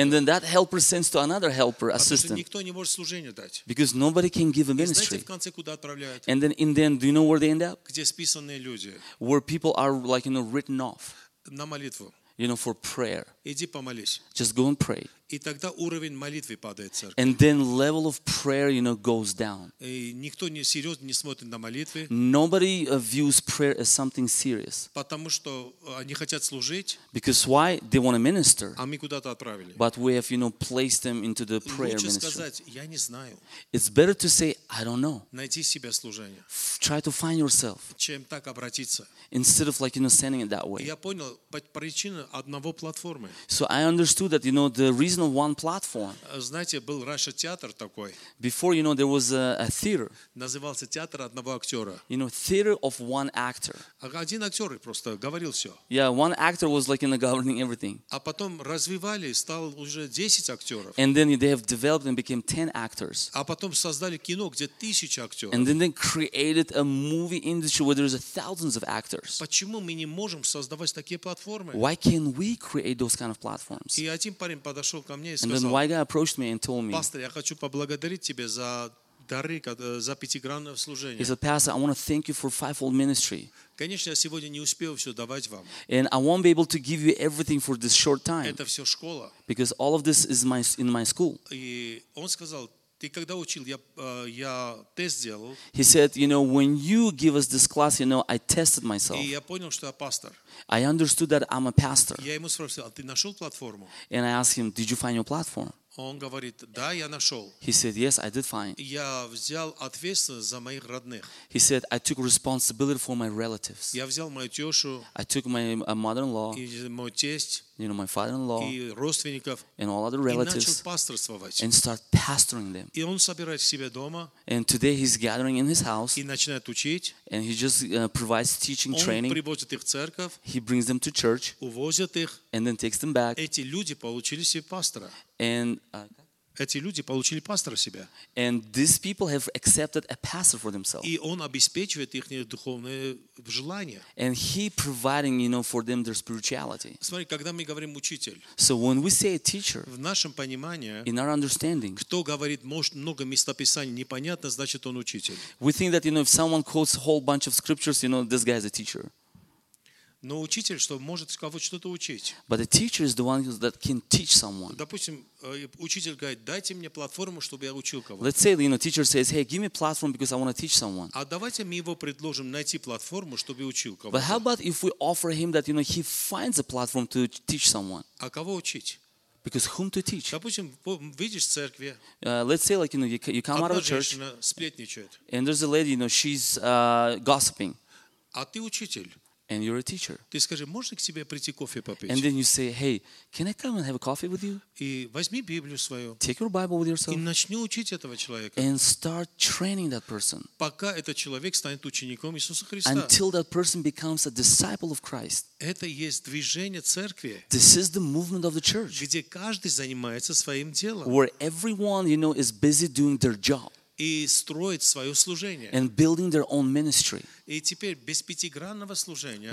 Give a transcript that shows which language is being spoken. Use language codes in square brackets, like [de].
[en] And then that helper sends to another helper, assistant. [ru] Никто не может служение дать. [en] Because nobody can give a ministry. [ru] И знаете, в конце куда отправляют? [en] And then in the end, do you know where they end up? [ru] Где списанные люди? [en] Where people are like, you know, written off. [ru] На молитву. [en] You know, for prayer. [ru] Иди помолись. [en] Just go and pray. [ru] И тогда уровень молитвы падает в церкви. [en] And then level of prayer, you know, goes down. [ru] И никто не серьезно не смотрит на молитвы. [en] Nobody views prayer as something serious. [ru] Потому что они хотят служить. [en] Because why? They want to minister. [ru] А мы куда-то отправили. [en] But we have, you know, placed them into the prayer ministry. [ru] Лучше сказать, я не знаю. [en] It's better to say, I don't know. [ru] Найди себе служение. [en] Try to find yourself. [ru] Чем так обратиться. [en] Instead of like, you know, sending it that way. [ru] Я понял, причина одного платформы. [en] So I understood that, you know, the reason of one platform. [ru] Знаете, был раньше театр такой. [en] Before, you know, there was a theater. [ru] Назывался театр одного актера. [en] You know, theater of one actor. [ru] Один актер просто говорил все. [en] Yeah, one actor was like, you know, governing everything. [ru] А потом развивали, стал уже 10 актеров. [en] And then they have developed and became 10 actors. [ru] А потом создали кино, где 1000 актеров. [en] And then they created a movie industry where there's thousands of actors. [ru] Почему мы не можем создавать такие платформы? [en] Why can't we create those kind of platforms? [ru] И один парень подошел ко мне и сказал, [en] and then one guy approached me and told me, [ru] Pastor, я хочу поблагодарить тебе за дары, за пятигранное служение. [en] He said, Pastor, I want to thank you for fivefold ministry. [ru] Конечно, я сегодня не успел все давать вам. [en] And I won't be able to give you everything for this short time. [ru] Это все школа. [en] Because all of this is my, in my school. [ru] И он сказал, ты когда учил, я тест сделал. [en] He said, you know, when you give us this class, you know, I tested myself. [ru] И я понял, что я пастор. [en] I understood that I'm a pastor. [ru] Я ему спросил, а ты нашел платформу? [en] And I asked him, did you find your platform? [ru] Он говорит, да, я нашел. [en] He said, yes, I did find. [ru] Я взял ответственность за моих родных. [en] He said, I took responsibility for my relatives. [ru] Я взял мою тёшу. [en] I took my mother-in-law. [ru] И мой тесть. [en] You know, my father-in-law. [ru] И родственников. [en] And all other relatives. [ru] И начал пасторствовать. [en] And start pastoring them. [ru] И он собирает себя дома. [en] And today he's gathering in his house. [ru] И начинает учить. [en] And he just provides teaching, [ru] он [en] training. [ru] Он приводит их в церковь. [en] He brings them to church. [ru] Увозит их. [en] And then takes them back. [ru] Эти люди получили себе пастора. [en] And [ru] эти люди получили пастора себе. [en] And these people have accepted a pastor for themselves. [ru] И он обеспечивает их духовные желания. [en] And he providing, you know, for them their spirituality. [ru] Смотри, когда мы говорим учитель, [en] so when we say a teacher, [ru] в нашем понимании, [en] in our understanding, [ru] кто говорит много местописаний непонятно, значит он учитель. [en] We think that, you know, if someone quotes a whole bunch of scriptures, you know, this guy is a teacher. [ru] Но учитель, что может кого-то что-то учить. [en] But a teacher is the one that can teach someone. [ru] Допустим, учитель говорит, дайте мне платформу, чтобы я учил кого-то. [en] Let's say, you know, teacher says, hey, give me platform because I want to teach someone. [ru] А давайте мы его предложим найти платформу, чтобы учил кого-то. [en] But how about if we offer him that, you know, he finds a platform to teach someone. [ru] А кого учить? [en] Because whom to teach? [ru] Допустим, видишь в церкви. [en] Let's say, like, you know, you come out of church. [ru] Одна женщина сплетничает. [en] And there's a lady, you know, she's gossiping. [ru] А ты учитель. [en] And you're a teacher. [ru] Ты скажи, можно к тебе прийти кофе попить? [en] And then you say, hey, can I come and have a coffee with you? [ru] И возьми Библию свою. [en] Take your Bible with yourself. [ru] И начни учить этого человека. [en] And start training that person. [ru] Пока этот человек станет учеником Иисуса Христа. [en] Until that person becomes a disciple of Christ. [ru] Это есть движение церкви. [en] This is the movement of the church. [ru] Где каждый занимается своим делом. [en] Where everyone, you know, is busy doing their job. [ru] И строит свое служение. [en] And building their own ministry. [ru] И теперь без пятигранного служения.